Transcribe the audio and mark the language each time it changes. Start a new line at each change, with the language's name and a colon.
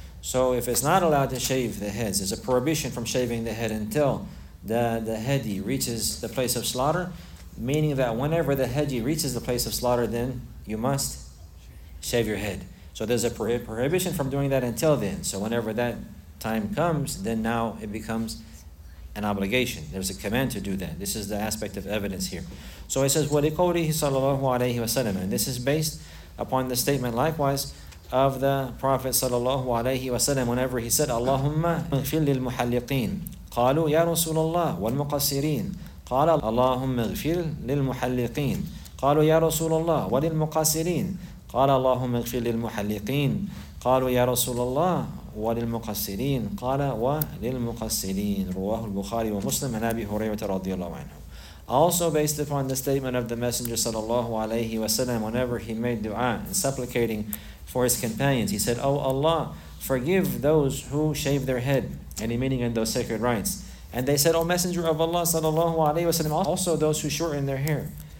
English: So if it's not allowed to shave the heads, there's a prohibition from shaving the head until the hedi reaches the place of slaughter, meaning that whenever the hedi reaches the place of slaughter, then you must shave your head. So there's a prohibition from doing that until then. So whenever that time comes, then now it becomes an obligation. There's a command to do that. This is the aspect of evidence here.
Arabic: So it says, وَلِقَوْلِهِ صَلَّى اللَّهُ وَسَلَّمَ, and this is based upon the statement likewise of the Prophet sallallahu alayhi wa sallam, whenever he said, اللهم اغفر للمحلقين قالوا يا رسول الله والمقصرين قال اللهم اغفر للمحلقين قالوا يا رسول الله وللمقصرين قال اللهم اغفر للمحلقين قالوا يا رسول الله وللمقصرين قال وللمقصرين رواه البخاري ومسلم عن أبي هريرة رضي الله عنه.
English: Also based upon the statement of the Messenger sallallahu alayhi wa sallam, whenever he made dua and supplicating for his companions, he said, O Allah, forgive those who shave their head, any meaning in those sacred rites. And they said, O Messenger of Allah sallallahu alayhi wa sallam, also those who shorten their hair.